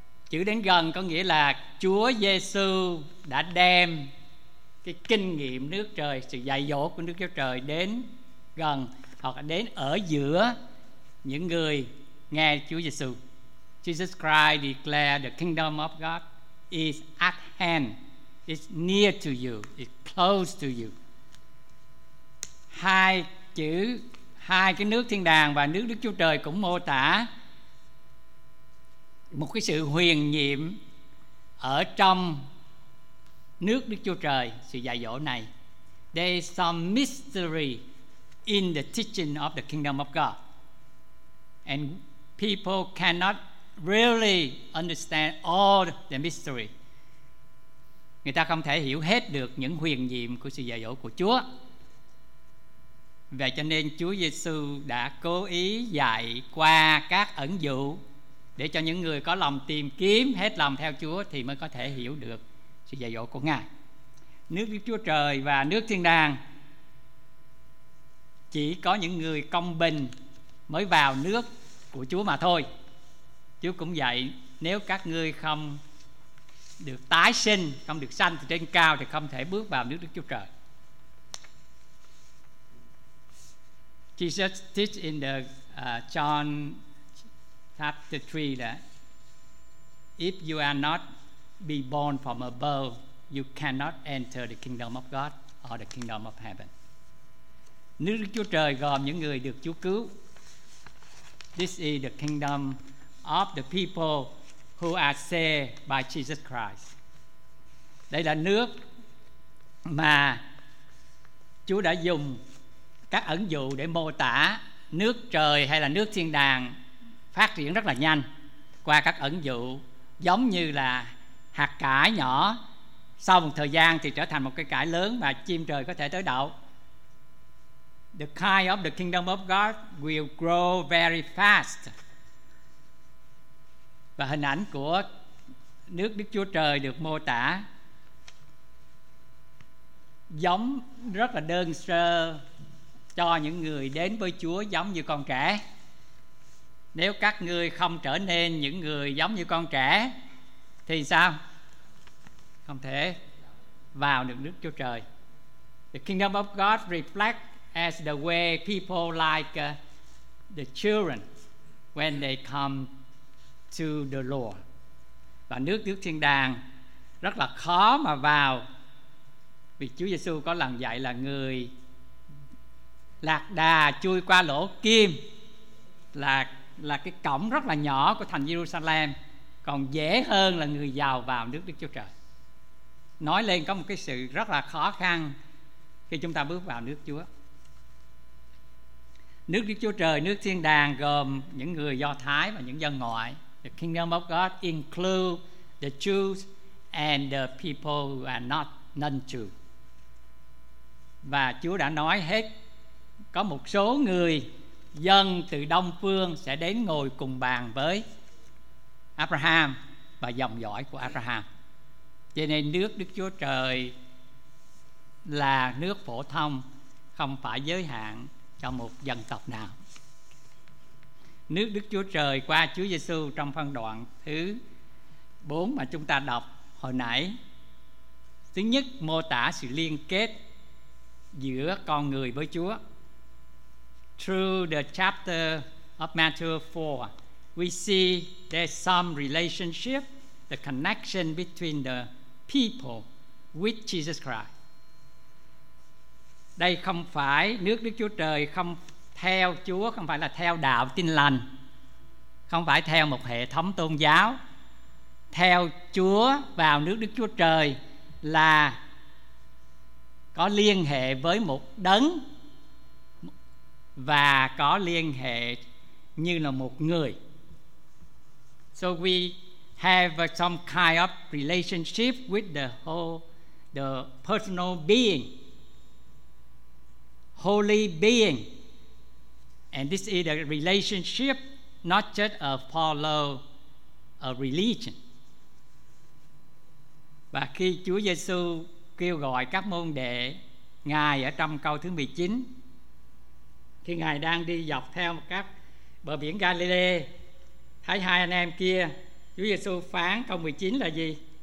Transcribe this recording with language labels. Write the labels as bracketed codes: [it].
[vi] Chữ đến gần có nghĩa là Chúa Giêsu đã đem cái kinh nghiệm nước trời, sự dạy dỗ của nước Chúa Trời đến gần, hoặc là đến ở giữa những người nghe Chúa Giêsu. [en] Jesus Christ declared the kingdom of God is at hand. It's near to you, it's close to you. [vi] Hai chữ, hai cái nước thiên đàng và nước Đức Chúa Trời cũng mô tả một cái sự huyền nhiệm ở trong nước Đức Chúa Trời, sự dạy dỗ này. [en] There is some mystery in the teaching of the kingdom of God, and people cannot really understand all the mystery. [vi] Người ta không thể hiểu hết được những huyền nhiệm của sự dạy dỗ của Chúa. Vậy cho nên Chúa Giêsu đã cố ý dạy qua các ẩn dụ để cho những người có lòng tìm kiếm, hết lòng theo Chúa thì mới có thể hiểu được sự dạy dỗ của Ngài. Nước Đức Chúa Trời và nước thiên đàng chỉ có những người công bình mới vào nước của Chúa mà thôi. Chúa cũng dạy, nếu các ngươi không được tái sinh, không được sanh từ trên cao thì không thể bước vào nước Đức Chúa Trời. [en] Jesus teach in the John chapter 3 that if you are not be born from above, you cannot enter the kingdom of God or the kingdom of heaven. [vi] Nước Đức Chúa Trời gồm những người được Chúa cứu. [en] This is the kingdom of the people who are saved by Jesus Christ. [vi] Đây là nước mà Chúa đã dùng các ẩn dụ để mô tả nước trời hay là nước thiên đàng phát triển rất là nhanh qua các ẩn dụ, giống như là hạt cải nhỏ sau một thời gian thì trở thành một cái cải lớn và chim trời có thể tới đậu. [en] The kind of the kingdom of God will grow very fast. [vi] Và hình ảnh của nước Đức Chúa Trời được mô tả giống rất là đơn sơ cho những người đến với Chúa giống như con trẻ. Nếu các ngươi không trở nên những người giống như con trẻ thì sao? Không thể vào được nước Chúa Trời. [en] The kingdom of God reflects as the way people like the children when they come to the Lord. [vi] Và nước thiên đàng rất là khó mà vào, vì Chúa Giêsu có lần dạy là người lạc đà chui qua lỗ kim là cái cổng rất là nhỏ của thành Jerusalem còn dễ hơn là người giàu vào nước Đức Chúa Trời. Nói lên có một cái sự rất là khó khăn khi chúng ta bước vào nước Chúa. Nước Đức Chúa Trời, nước thiên đàng gồm những người Do Thái và những dân ngoại. [en] The kingdom of God includes the Jews and the people who are not non-Jew. [vi] Và Chúa đã nói hết, có một số người dân từ Đông Phương sẽ đến ngồi cùng bàn với Abraham và dòng dõi của Abraham. Cho nên nước Đức Chúa Trời là nước phổ thông, không phải giới hạn cho một dân tộc nào. Nước Đức Chúa Trời qua Chúa Giêsu trong phân đoạn thứ 4 mà chúng ta đọc hồi nãy. Thứ nhất, mô tả sự liên kết giữa con người với Chúa. [en] Through the chapter of Matthew 4, we see there's some relationship, the connection between the people with Jesus Christ. [vi] Đây không phải nước Đức Chúa Trời, không theo Chúa, không phải là theo đạo Tin Lành, không phải theo một hệ thống tôn giáo. Theo Chúa vào nước Đức Chúa Trời là có liên hệ với một đấng, và có liên hệ như là một người. [en] So we have some kind of relationship with the whole, the personal being, holy being. And this is a relationship, not just a follow a religion. [vi] Và khi Chúa Giê-xu kêu gọi các môn đệ Ngài ở trong câu thứ 19, khi Ngài đang đi dọc theo các bờ biển Galilee, thấy hai anh em kia, Chúa Giê-xu phán câu 19 là gì?